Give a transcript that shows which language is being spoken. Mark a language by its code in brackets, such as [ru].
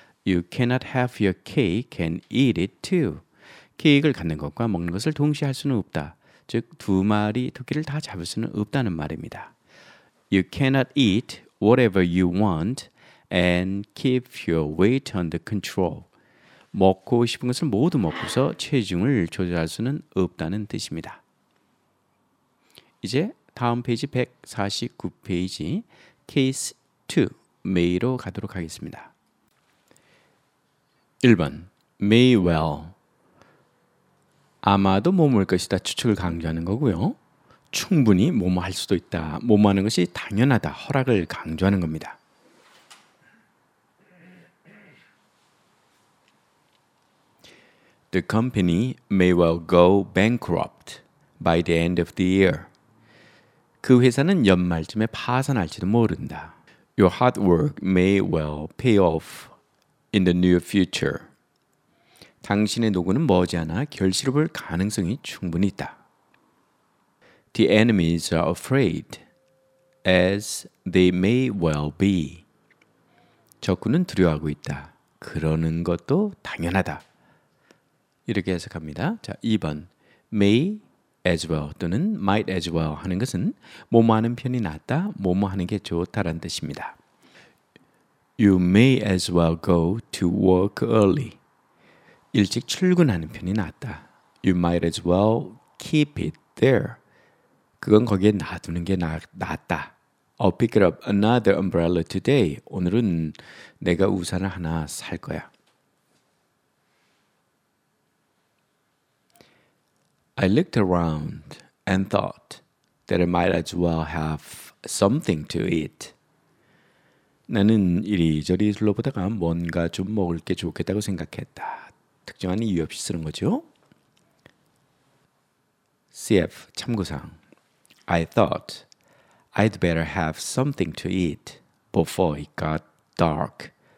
[en] You cannot have your cake and eat it too. [ko] 케이크를 갖는 것과 먹는 것을 동시에 할 수는 없다. 즉, 두 마리 토끼를 다 잡을 수는 없다는 말입니다. [en] You cannot eat whatever you want and keep your weight under control. [ko] 먹고 싶은 것을 모두 먹고서 체중을 조절할 수는 없다는 뜻입니다. 이제 다음 페이지 149페이지 케이스 2 메이로 가도록 하겠습니다. 1번 May well 아마도 뭐뭐일 것이다 추측을 강조하는 거고요. 충분히 뭐뭐 할 수도 있다. 뭐뭐 하는 것이 당연하다. 허락을 강조하는 겁니다. [en] 'The company may well go bankrupt by the end of the year. [ko] 그 회사는 연말쯤에 파산할지도 모른다. [en] Your hard work may well pay off in the near future. [ko] 당신의 노고는 머지않아 결실을 볼 가능성이 충분히 있다. [en] The enemies are afraid, as they may well be. [ko] 적군은 두려워하고 있다. 그러는 것도 당연하다. 이렇게 해석합니다. 자, 2번 may as well 또는 might as well 하는 것은 뭐뭐 하는 편이 낫다, 뭐뭐 하는 게 좋다라는 뜻입니다. [en] You may as well go to work early. [ko] 일찍 출근하는 편이 낫다. [en] You might as well keep it there. [ko] 그건 거기에 놔두는 게 낫다. [en] I'll pick up another umbrella today. [ko] 오늘은 내가 우산을 하나 살 거야. [en] I looked around and thought that I might as well have something to eat. [ko] 나는 이리저리 둘러보다가 뭔가 좀 먹을 게 좋겠다고 생각했다. 특정한 이유 없이 쓰는 거죠. [en] CF [ko] 참고사항 [en] I thought I'd better have something to eat before it got dark.